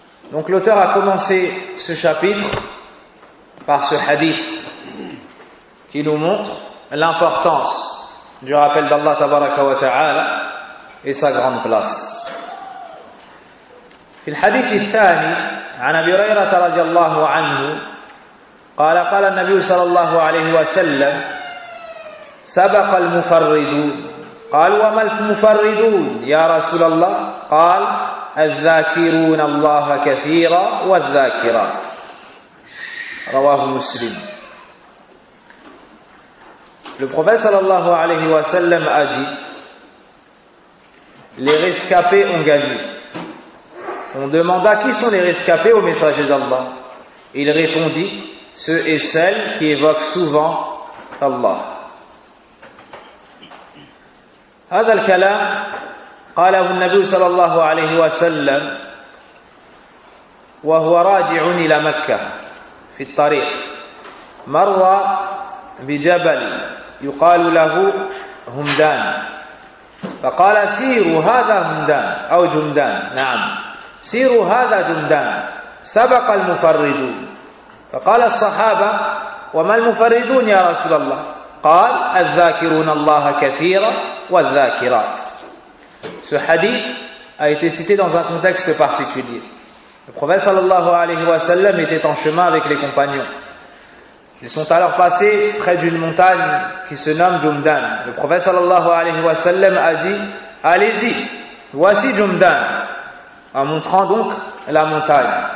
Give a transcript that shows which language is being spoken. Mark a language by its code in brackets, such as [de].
[fr] Donc l'auteur a commencé ce chapitre par ce hadith qui nous montre l'importance du rappel d'Allah tabaraka wa ta'ala et sa grande place. [ar] في الحديث الثاني عن أبي هريرة رضي الله عنه قال قال النبي صلى الله عليه وسلم سبق المفردون قال وما المفردون يا رسول الله قال الذاكرون الله كثيرا والذاكرات رواه مسلم. [fr] Le prophète صلى الله عليه وسلم a dit les rescapés ont gagné. On demanda qui sont les rescapés au messager d'Allah. Il répondit, ceux et celles qui évoquent souvent Allah. [ar] هذا الكلام قاله النبي صلى الله عليه وسلم وهو راجع إلى مكة في الطريق مر بجبل يقال له همدان فقال سيروا هذا همدان أو جمدان نعم سيروا هذا جمدان سبق المفردون فقال الصحابة وما المفردون يا رسول الله قال الذاكرون الله كثيرا والذاكرات. [fr] Ce hadith a été cité dans un contexte particulier. Le prophète sallallahu alayhi wa sallam était en chemin avec les compagnons. Ils sont alors passés près d'une montagne qui se nomme Jumdan. Le prophète sallallahu alayhi wa sallam a dit allez-y, voici Jumdan, en montrant donc la montagne.